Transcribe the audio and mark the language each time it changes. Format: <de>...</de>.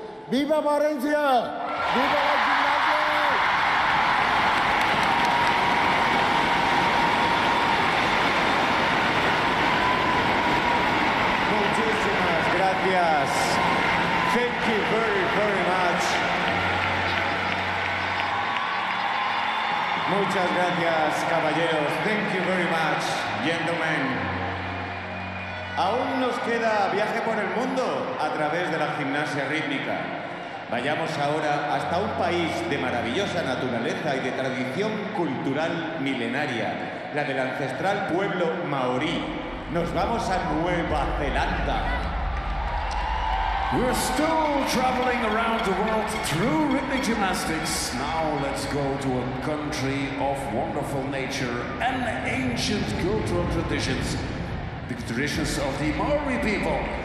<es>Viva Valencia! Viva la gimnasia! Muchísimas gracias.</es> <en>Thank you very, very much.</en> <es>Muchas gracias, caballeros.</es> <en>Thank you very much, gentlemen.</en> <es>Aún nos queda viaje por el mundo a través de la gimnasia rítmica. Vayamos ahora hasta un país de maravillosa naturaleza y de tradición cultural milenaria, la del ancestral pueblo maorí. Nos vamos a Nueva Zelanda.</es> <en>We're still traveling around the world through rhythmic gymnastics. Now let's go to a country of wonderful nature and ancient cultural traditions, the traditions of the Maori people.</en>